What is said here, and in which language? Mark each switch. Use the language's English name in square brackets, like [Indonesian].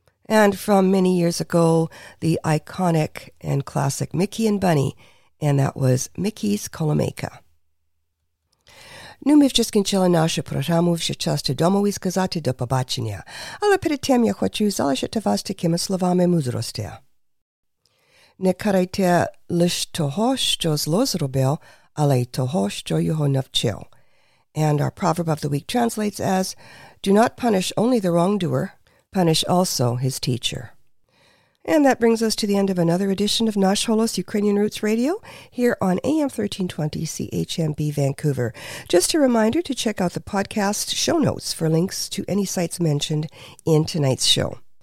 [English] And from many years ago, the iconic and classic Mickey and Bunny, and that was Mickey's Коломийка. [Ukrainian] Ну, ми вже скінчили нашу програму, вже час до дому і сказати до побачення. Але перед тим я хочу залишити вас такими словами мудрості. Не карайте лише того, що зло зробив, але й того, що його навчив. [English] And our proverb of the week translates as, do not punish only the wrongdoer, punish also his teacher. And that brings us to the end of another edition of Nash Holos Ukrainian Roots Radio here on AM 1320 CHMB Vancouver. Just a reminder to check out the podcast show notes for links to any sites mentioned in tonight's show.